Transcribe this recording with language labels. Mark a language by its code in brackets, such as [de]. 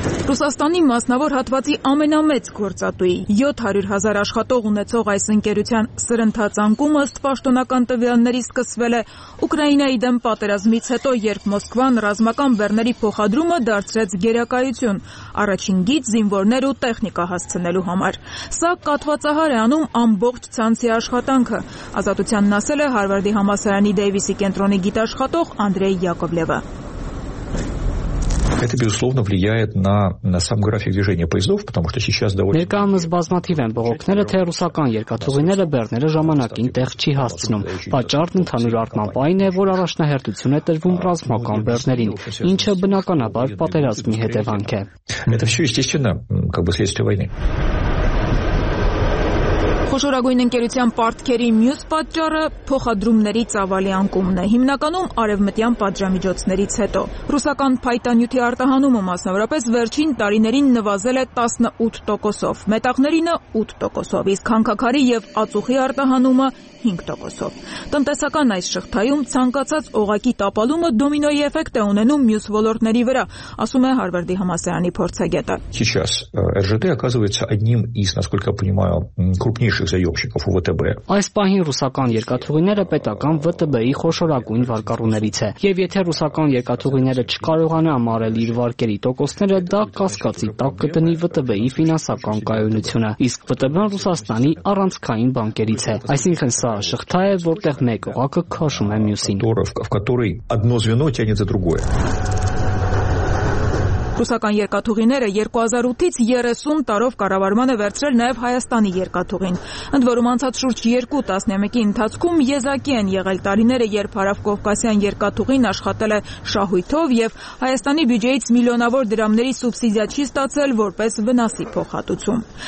[hy] Ռուսաստանի մասնավոր հատվածի ամենամեծ գործատուի 700,000 աշխատող ունեցող այս ընկերության սրընթացանկում ըստ պաշտոնական տվյալների սկսվել է Ուկրաինայի դեմ պատերազմից հետո, երբ Մոսկվան ռազմական բեռների փոխադրումը դարձրեց գերակայություն առաջին գիծ զինվորներ ու տեխնիկա հասցնելու համար։ Սա կաթվածահար է անում ամբողջ ցանցի աշխատանքը, Ազատությանն ասել է Հարվարդի համալսարանի Դեյվիսի կենտրոնի գիտաշխատող Անդրեյ Յակովլևը։ [ru] Это безусловно влияет на сам график движения поездов, потому что сейчас довольно [hy] Ներկայումս բազմաթիվ են բողոքները, թե ռուսական երկաթուղիները բեռները ժամանակին տեղ չի հասցնում։ Պատճառն ընդհանուր արտմամբ այն է, որ առաջնահերթություն է տրվում ռազմական բեռներին, ինչը բնականաբար պատերազմի հետևանք է։ [ru] Это всё естественно, как бы следствие войны. [hy] Խոշորագույն ընկերության պարտքերի մյուս պատճառը փոխադրումների ծավալի անկումն է, հիմնականում արևմտյան պատժամիջոցներից հետո։ Ռուսական փայտանյութի արտահանումը մասնավորապես վերջին տարիներին նվազել է 18%-ով, մետաղներինը 8%-ով, իսկ հանքաքարի և ածուխի արտահանումը 5%-ով։ Տնտեսական այս շղթայում ցանկացած օղակի տապալումը դոմինոյի էֆեկտ է ունենում մյուս ոլորտների վրա, ասում է Հարվարդի համալսարանի փորձագետը։ [ru] Сейчас РЖД оказывается одним из, насколько я понимаю, крупнейших заёмщиков у ВТБ. [hy] Այս պահին ռուսական երկաթուղիները պետական ՎՏԲ-ի խոշորագույն վարկառուներից է, և եթե ռուսական երկաթուղիները չկարողանան ամարել իր վարկերի տոկոսները, դա կասկածի տակ կտնի ՎՏԲ-ի ֆինանսական կայունությունը, իսկ ՎՏԲ-ն Ռուսաստանի առանցքային բանկերից է։ Այսինքն са շղթա է, որտեղ մեկ օղակը քաշում է մյուսին։ [ru] Торовка, в которой одно звено тянет за другое. [hy] Ռուսական երկաթուղիները 2008-ից 30 տարով կառավարման է վերցրել նաև Հայաստանի երկաթուղին։ Ընդ որում անցած շուրջ 2 տասնյակի ընթացքում եզակի են եղել տարիները, երբ Հարավկովկասյան երկաթուղին աշխատել է շահույթով և Հայաստանի բյուջեից միլիոնավոր դրամների սուբսիդիա չի ստացել որպես վնասի փոխհատուցում։